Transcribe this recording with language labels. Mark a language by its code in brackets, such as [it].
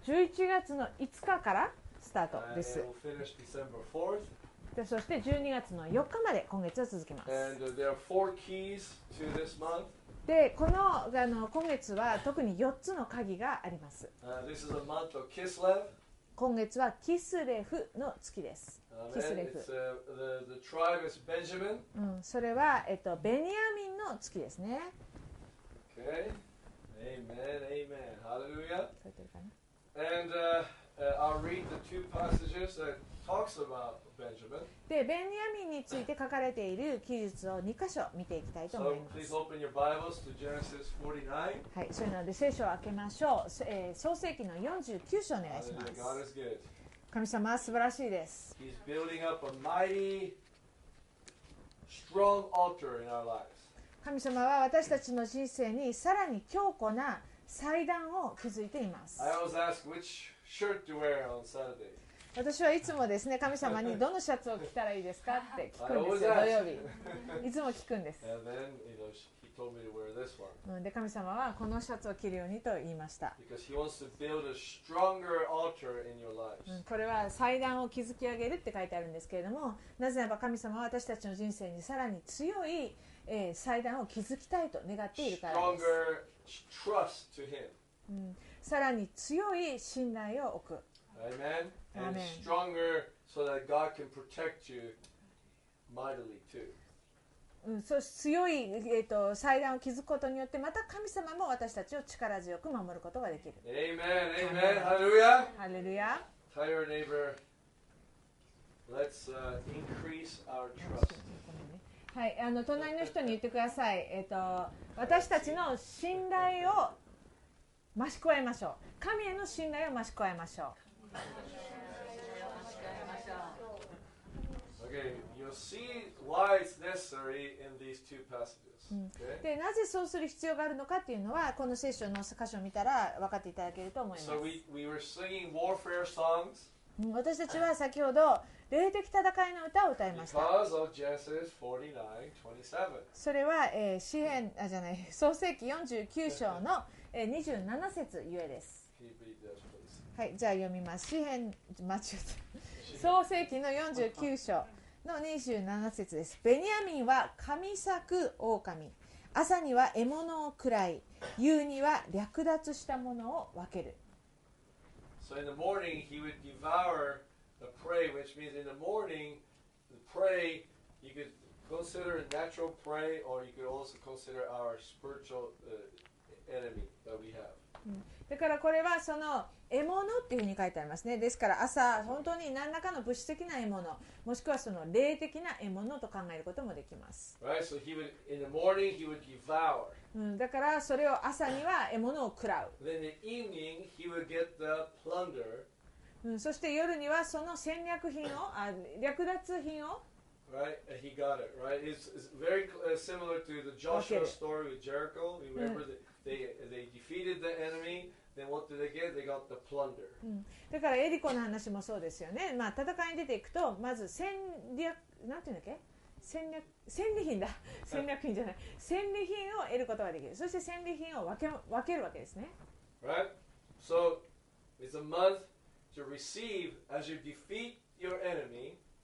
[ja] 11月の5日からスタートです。 [en] And it will finish December 4th. [ja] で、そして12月の4日まで今月は続きます。 [en] And there are four keys to this month. [ja] で、この、今月は特に4つの鍵があります。 [en] This is a month of Kislev. [ja] 今月はキスレフの月です。 [en] キスレフ。The tribe is Benjamin. [ja] うん、それは、ベニヤミンの月ですね。 [en] Okay. Amen, amen. Hallelujah. [ja] 書いてるかな? [en] And, I'll read the two passages that talks about Benjamin. [ja] で、ベニヤミンについて書かれている記述を2箇所見ていきたいと思います。 [en] So, please open your Bibles to Genesis 49. [ja] はい、そういうので聖書を開けましょう。創世記の49章お願いします。 [en] Hallelujah. God is good. [ja] 神様は素晴らしいです。 [en] He's building up a mighty, strong altar in our lives. [ja] 神様は私たちの人生にさらに強固な祭壇を築いています。 [en] I always ask which shirt to wear on Saturday. [ja] 私はいつもですね、神様にどのシャツを着たらいいですかって聞くんですよ、土曜日。いつも聞くんです。 [en] And then, you know, he told me to wear this one. [ja] で、神様はこのシャツを着るようにと言いました。 [en] Because he wants to build a stronger altar in your lives. [ja] これは祭壇を築き上げるって書いてあるんですけれども、なぜならば神様は私たちの人生にさらに強い祭壇を築きたいと願っているからです。 [en] Stronger trust to him. [ja] さらに強い信頼を置く。 [en] Amen. And stronger so that God can protect you mightily too. [ja] そう、強い、祭壇を築くことによって、また神様も私たちを力強く守ることができる。 [en] Amen. Amen. Hallelujah. Hallelujah. Tell your neighbor, let's increase our trust. [ja] はい、隣の人に言ってください。私たちの信頼を増し加えましょう。神への信頼を増し加えましょう。 [en] Okay, you'll see why it's necessary in these two passages. [ja] で、なぜそうする必要があるのかっていうのは、この聖書の箇所を見たら分かっていただけると思います。 [en] So we were singing warfare songs. [ja] 私たちは先ほど霊的戦いの歌を歌いました。 [en] Because of Genesis 49:27. [ja] それは、詩編あじゃない創世記49章の27節ゆえです。はい、じゃあ読みます。詩編、間違った。創世記の49章の27節です。ベニヤミンは神裂く狼、朝には獲物を食らい、夕には略奪したものを分ける。 [en] So in the morning he would devour the prey, which means in the morning the prey you could consider a natural prey or you could also consider our spiritual enemy that we have. [ja] だからこれはその獲物っていうふうに書いてありますね。ですから朝本当に何らかの物質的な獲物、もしくはその霊的な獲物と考えることもできます。 [en] Right, so he would in the morning he would devour. [ja] だからそれを朝には獲物を食らう。 [en] Then in the evening he would get the plunder. [ja] そして夜にはその戦略品を、略奪品を。 [en] Right, he got it. Right, it's very similar to the Joshua story with Jericho. Remember the They defeated the enemy. Then what did they get? They got the plunder. [ja] だからエリコの話もそうですよね。まあ戦いに出ていくと、まず戦略、なんていうんだっけ？戦利品だ。戦略品じゃない。戦利品を得ることができる。そして戦利品を分けるわけですね。 [en] Right? So it's a month to receive as you defeat your enemy.